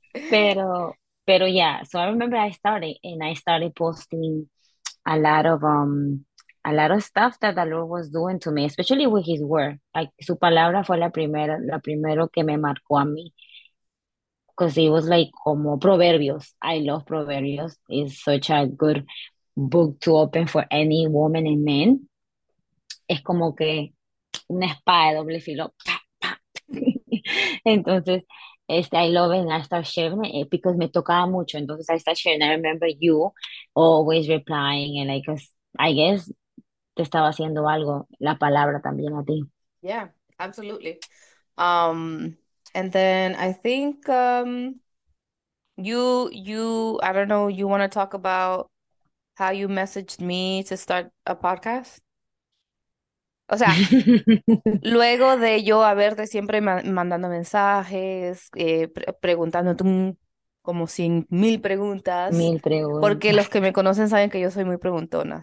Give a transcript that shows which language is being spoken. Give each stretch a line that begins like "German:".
Spanish: Pero
English: yeah. So I remember I started posting a lot of stuff that the Lord was doing to me, especially with His word. Like
Spanish: su palabra fue la primero que me marcó a mí.
English: Because it was like
Spanish: como proverbios.
English: I love proverbios. It's such a good book to open for any woman and man.
Spanish: Es como que una espada de doble filo. Entonces,
English: I love it and I start sharing it because
Spanish: me tocaba mucho. Entonces,
English: I start sharing. I remember you always replying and like, cause I guess
Spanish: te estaba haciendo algo, la palabra también a ti.
English: Yeah, absolutely. And then I think I don't know, you want to talk about how you messaged me to start a podcast?
Spanish: O sea, luego de yo haberte siempre ma mandando mensajes, preguntándote como 100.000 preguntas, Mil porque preguntas. los que me conocen saben que yo soy muy preguntona.